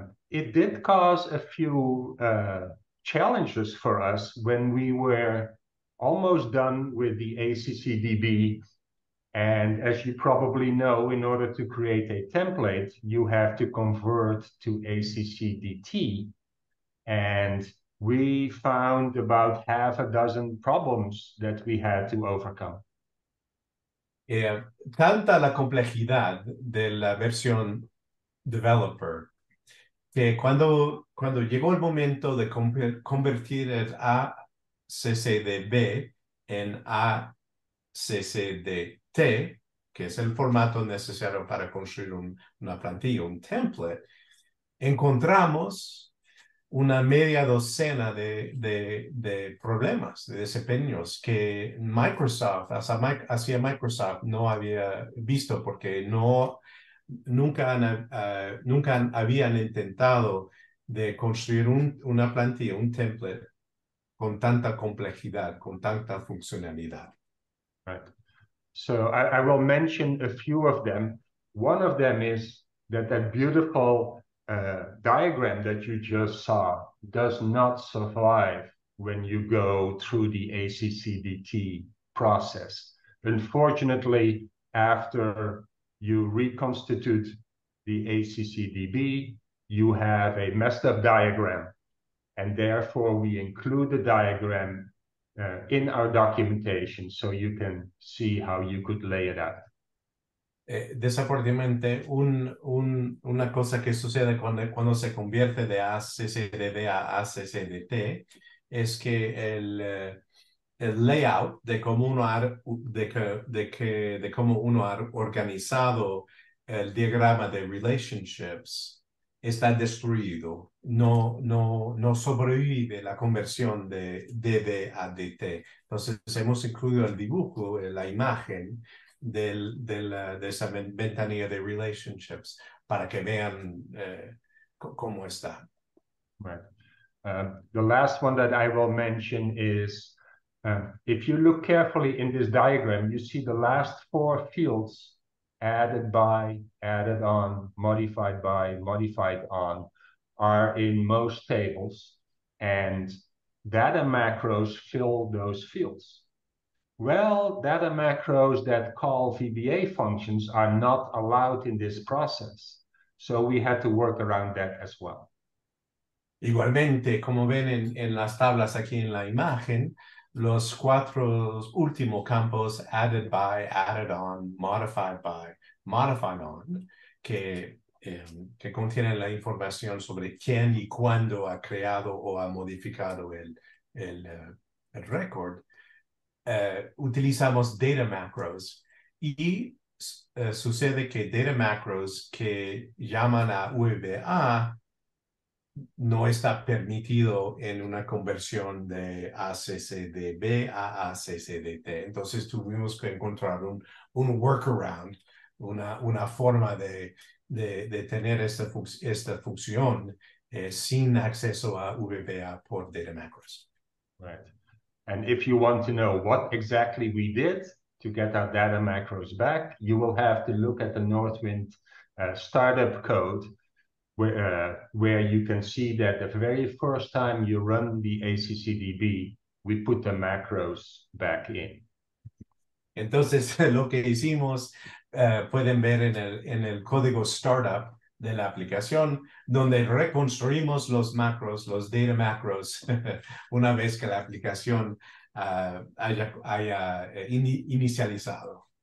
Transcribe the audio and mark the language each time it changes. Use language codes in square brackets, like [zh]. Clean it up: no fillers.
[en] It did cause a few challenges for us when we were almost done with the ACCDB. And as you probably know, in order to create a template, you have to convert to ACCDT. And we found about half a dozen problems that we had to overcome. [es] Tanta la complejidad de la versión developer, que cuando llegó el momento de convertir el ACCDB en ACCDT, que es el formato necesario para construir una plantilla, un template, encontramos una media docena de problemas, de desempeños que Microsoft, hacia Microsoft, no había visto porque nunca habían intentado de construir una plantilla, un template, con tanta complejidad, con tanta funcionalidad. [en] Right. So I will mention a few of them. One of them is that beautiful diagram that you just saw does not survive when you go through the ACCDT process. Unfortunately, after you reconstitute the ACCDB, you have a messed up diagram. And therefore, we include the diagram in our documentation, so you can see how you could lay it out. [es] Desafortunadamente, una cosa que sucede cuando se convierte de ACCDB a ACCDT es que el layout de cómo uno ha organizado el diagrama de relationships está destruido. No sobrevive la conversión de DB a DT. Entonces, hemos incluido el dibujo, la imagen de esa ventanilla de relationships para que vean cómo está. [en] Right. The last one that I will mention is, if you look carefully in this diagram, you see the last four fields added by, added on, modified by, modified on, are in most tables, and data macros fill those fields. Well, data macros that call VBA functions are not allowed in this process. So we had to work around that as well. [es] Igualmente, como ven en las tablas aquí en la imagen, los cuatro últimos campos, added by, added on, modified by, modified on, que contienen la información sobre quién y cuándo ha creado o ha modificado el record, utilizamos data macros. Y sucede que data macros que llaman a VBA no está permitido en una conversión de ACCDB a ACCDT. Entonces tuvimos que encontrar un workaround, una forma de tener esta función sin acceso a VBA por data macros. [en] Right. And if you want to know what exactly we did to get our data macros back, you will have to look at the Northwind startup code, where you can see that the very first time you run the ACCDB, we put the macros back in. [es] Entonces, lo que hicimos, pueden ver en el código startup de la aplicación, donde reconstruimos los macros, los data macros, una vez que la aplicación haya inicializado.